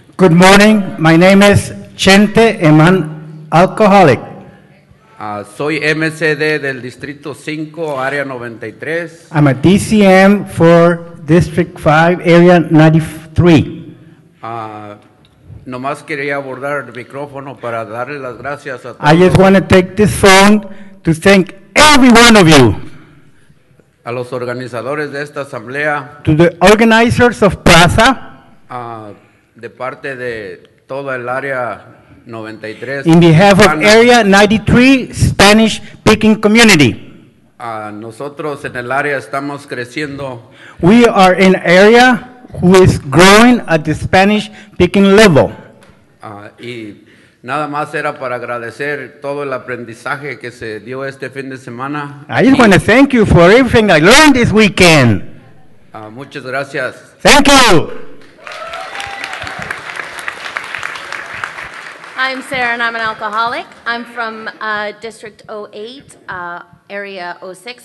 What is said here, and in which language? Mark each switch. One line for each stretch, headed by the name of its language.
English: Good morning, my name is Chente Eman, alcoholic.
Spanish: Soy MCD del Distrito 5, Área 93.
English: I'm a DCM for District 5, Area 93.
Spanish: Nomás quería abordar el micrófono para darle las gracias a todos.
English: I just want to take this phone to thank every one of you.
Spanish: A los organizadores de esta asamblea.
English: To the organizers of PRASA.
Spanish: De parte de toda el área 93.
English: In behalf of Area 93 Spanish speaking community.
Spanish: Nosotros en el área estamos creciendo.
English: We are in area who is growing at the Spanish speaking level.
Spanish: Y nada más era para agradecer todo el aprendizaje que se dio este fin de semana.
English: I just want to thank you for everything I learned this weekend.
Spanish: Muchas gracias.
English: Thank you. I'm Sarah and I'm an alcoholic. I'm from District 08, Area 06.